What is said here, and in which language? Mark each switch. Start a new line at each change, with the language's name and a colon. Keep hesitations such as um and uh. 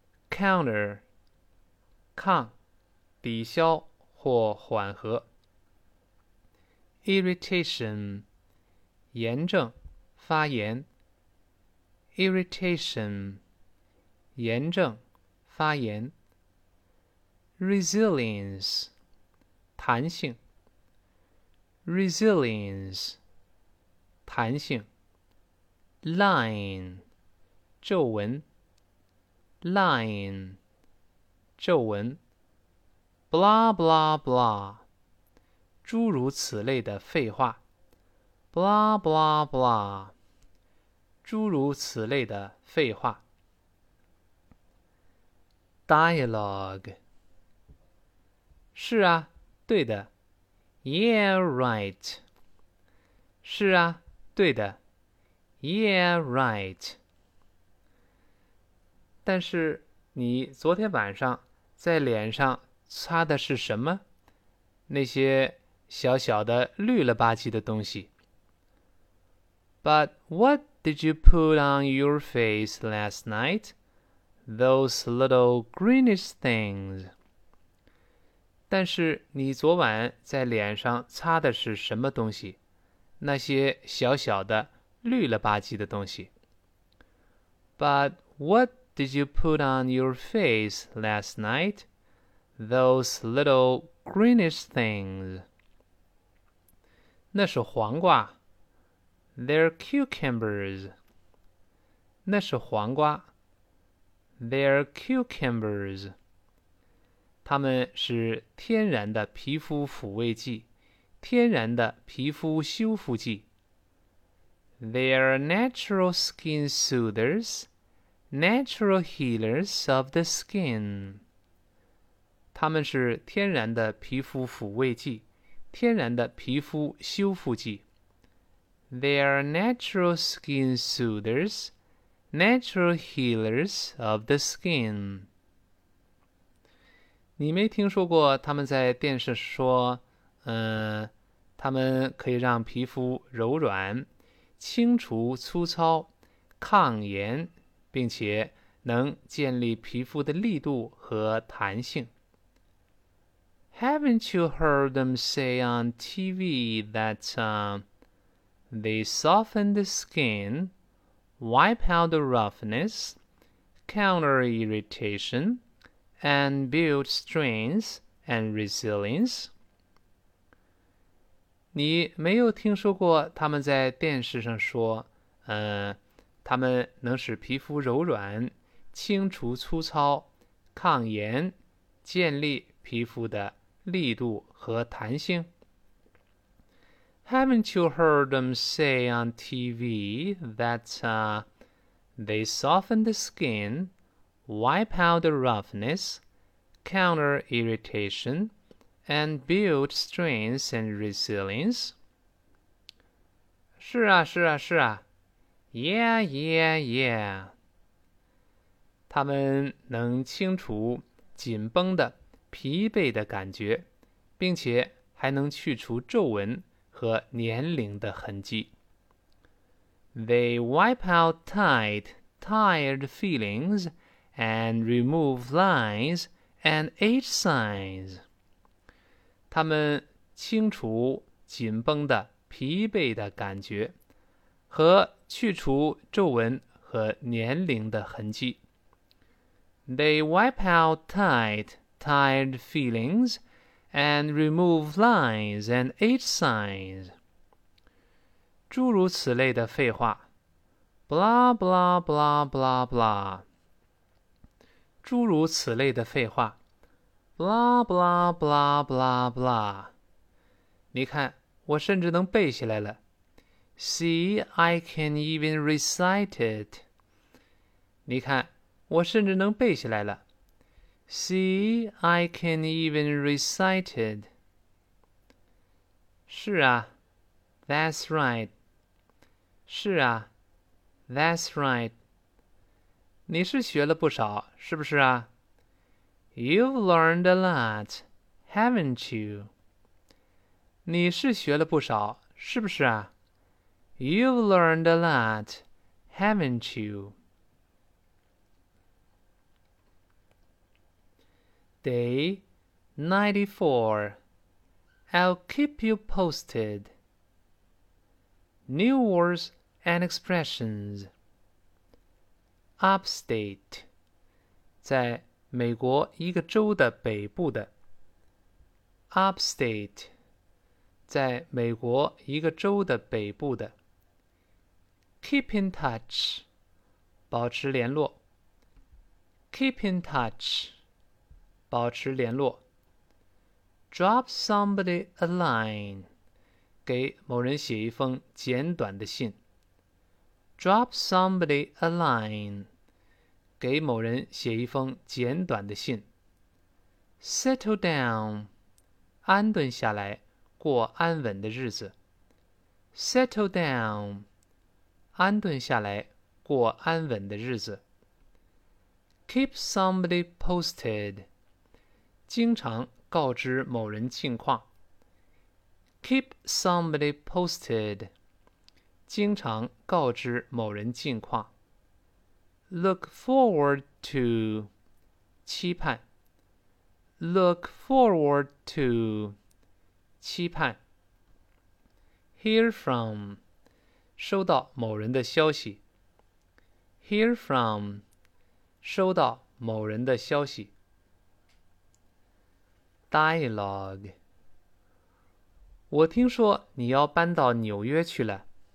Chinese: counter，抗、抵消或缓和。 irritation，炎症、发炎。 irritation，炎症、发炎。 resilience，弹性。 resilience，弹性。 line，皱纹。line，皱纹。
English: blah blah blah，
Chinese: 诸如此类的废话。
English: blah blah blah，
Chinese: 诸如此类的废话。 dialogue，是啊，对的。
English: Yeah, right。
Chinese: 是啊，对的。
English: Yeah, right。
Chinese: 但是你昨天晚上在脸上擦的是什么？那些小小的绿了吧唧的东西。
English: But what did you put on your face last night? Those little greenish things.
Chinese: 但是你昨晚在脸上擦的是什么东西？那些小小的绿了吧唧的东西。
English: But what did you put on your face last night? Those little greenish things.
Chinese: 那是黄瓜。
English: They're cucumbers.
Chinese: 那是黄瓜。
English: They're cucumbers.
Chinese: 它们是天然的皮肤抚慰剂，天然的皮肤修复剂。
English: They are natural skin soothers, natural healers of the skin.
Chinese: 它们是天然的皮肤抚慰剂，天然的皮肤修复剂。
English: They are natural skin soothers, natural healers of the skin.
Chinese: 你没听说过他们在电视说，嗯、他们可以让皮肤柔软，清除粗糙，抗炎，并且能建立皮肤的力度和弹性。
English: Haven't you heard them say on TV that uh, they soften the skin, wipe out the roughness, counter irritation, and build strength and resilience?
Chinese: 你没有听说过他们在电视上说，呃，他们能使皮肤柔软，清除粗糙，抗炎，建立皮肤的力度和弹性。
English: Haven't you heard them say on TV that uh, they soften the skin, wipe out the roughness, counter irritation, and build strength and resilience?
Chinese: 是啊，是啊，是啊，
English: Yeah, yeah, yeah。
Chinese: 它们能清除紧绷的、疲惫的感觉，并且还能去除皱纹和年龄的痕迹。
English: They wipe out tight, tired feelings and remove lines and age signs.
Chinese: 它们清除紧绷的、疲惫的感觉，和去除皱纹和年龄的痕迹。
English: They wipe out tight, tired feelings and remove lines and age signs.
Chinese: 诸如此类的废话，
English: blah blah blah blah blah。
Chinese: 诸如此类的废话，
English: blah blah blah blah blah。
Chinese: 你看，我甚至能背下来了。
English: See, I can even recite it。
Chinese: 你看，我甚至能背下来了。
English: See, I can even recite it.
Chinese: 是啊，
English: That's right. 是啊，That's right.
Chinese: 你是学了不少，是不是啊？
English: You've learned a lot, haven't you?
Chinese: 你是学了不少，是不是啊？
English: You've learned a lot, haven't you? Day 94. I'll keep you posted. New words and expressions.
Chinese: Upstate，在美国一个州的北部的。 Upstate，在美国一个州的北部的。
English: Keep in touch，
Chinese: 保持联络。
English: Keep in touch，保持联络。 Drop somebody a line，
Chinese: 给某人写一封简短的信。
English: Drop somebody a line，
Chinese: 给某人写一封简短的信。
English: Settle down，
Chinese: 安顿下来，过安稳的日子。
English: Settle down，
Chinese: 安顿下来，过安稳的日子。
English: Keep somebody posted，
Chinese: 经常告知某人近况。
English: Keep somebody posted，
Chinese: 经常告知某人近况。
English: Look forward to，
Chinese: 期盼。
English: Look forward to，
Chinese: 期盼。
English: Hear from，
Chinese: 收到某人的消息。
English: Hear from，
Chinese: 收到某人的消息。 Dialogue，我听说你要搬到纽约去了。